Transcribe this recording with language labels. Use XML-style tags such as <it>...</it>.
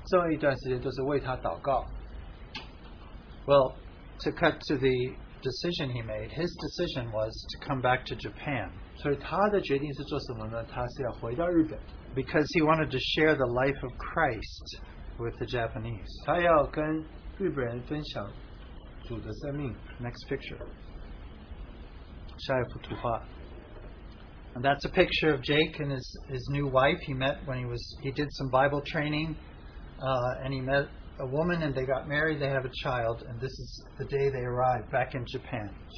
<zh>这么一段时间都是为他祷告。</zh> <en>Well, to cut to the decision he made, his decision was to come back to Japan.</en> <zh>所以他的决定是做什么呢? 他是要回到日本。</zh> <en>Because he wanted to share the life of Christ with the Japanese.</en> <zh>他要跟日本人分享主的生命。</zh> <en>Next picture. And that's a picture of Jake and his new wife. He met when he did some Bible training, and he met a woman and they got married. They have a child, and this is the day they arrived back in Japan.</en>